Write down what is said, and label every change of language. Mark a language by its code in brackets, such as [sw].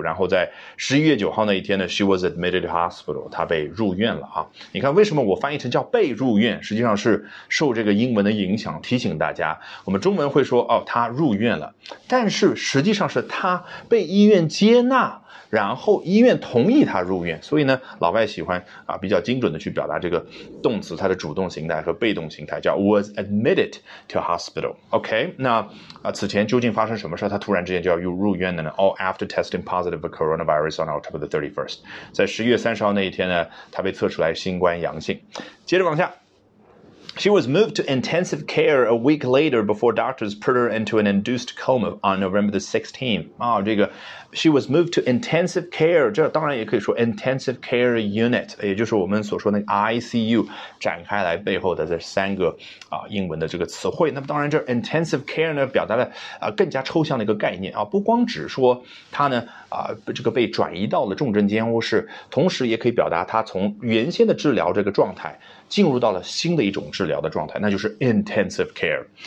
[zh] 然后在11月9号那一天呢 [en] she was admitted to hospital， [zh] 她被入院了、啊、你看为什么我翻译成叫被入院，实际上是受这个英文的影响，提醒大家我们中文会说哦，她入院了，但是实际上是他被医院接纳，然后医院同意他入院，所以呢老外喜欢啊比较精准的去表达这个动词它的主动形态和被动形态，叫 [en] was admitted to hospital。 [zh] OK， 那啊此前究竟发生什么事他突然之间就要入院的呢？ [en] All after testing positive for coronavirus on October the 31st， [zh] 在10月30号那一天呢他被测出来新冠阳性。 [en] 接着往下，She was moved to intensive care a week later before doctors put her into an induced coma on November the 16th.、这个 She was moved to intensive care, [zh] 这当然也可以说 [en] intensive care unit, [zh] 也就是我们所说的 [en] ICU, [zh] 展开来背后的这三个、英文的这个词汇。那么当然这 intensive care 呢表达了、更加抽象的一个概念、不光只说它呢、这个被转移到了重症监护室，同时也可以表达它从原先的治疗这个状态进入到了新的一种治疗的状态，那就是 intensive care。